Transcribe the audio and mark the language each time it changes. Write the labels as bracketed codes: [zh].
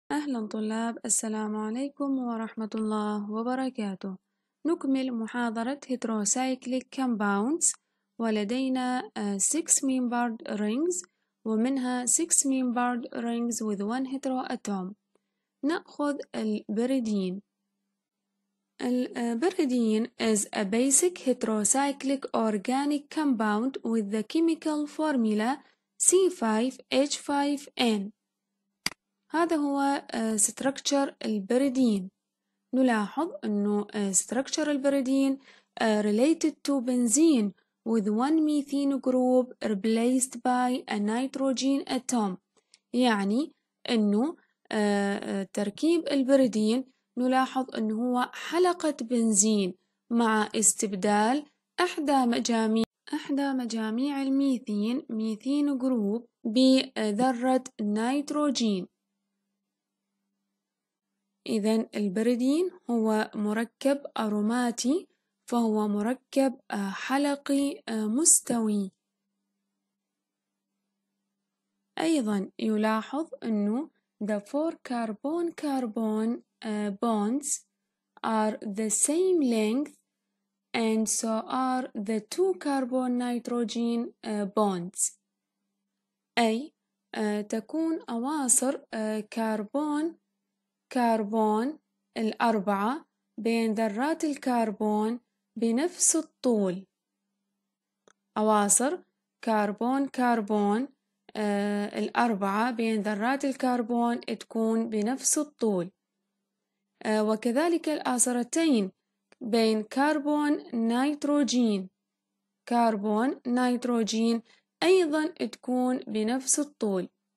[ar] أهلا طلاب، السلام عليكم ورحمة الله وبركاته. نكمل محاضرة هيدروسايكليك كامباوندز، ولدينا 6 ميمبرد رينجز ومنها 6 ميمبرد رينجز with 1 هيترو أتوم. نأخذ البيريدين. [en] البيريدين is a basic heterocyclic organic compound with the chemical formula C5H5N. [ar] هذا هو ستركتشر البيريدين. نلاحظ انه ستركتشر البيريدين [en] related to benzene with one methane group replaced by a nitrogen atom. [ar] يعني انه تركيب البيريدين نلاحظ انه هو حلقة بنزين مع استبدال احدى مجاميع الميثين ميثين جروب بذرة نيتروجين. إذا البيريدين هو مركب أروماتي، فهو مركب حلقي مستوي. أيضا يلاحظ أنه [en] the four carbon-carbon bonds are the same length and so are the two carbon-nitrogen bonds. [ar] أي تكون أواصر كربون كربون الأربعة بين ذرات الكربون بنفس الطول. أواصر كربون كربون الأربعة بين ذرات الكربون تكون بنفس الطول، وكذلك الأواصرتين بين كربون نيتروجين كربون نيتروجين أيضا تكون بنفس الطول.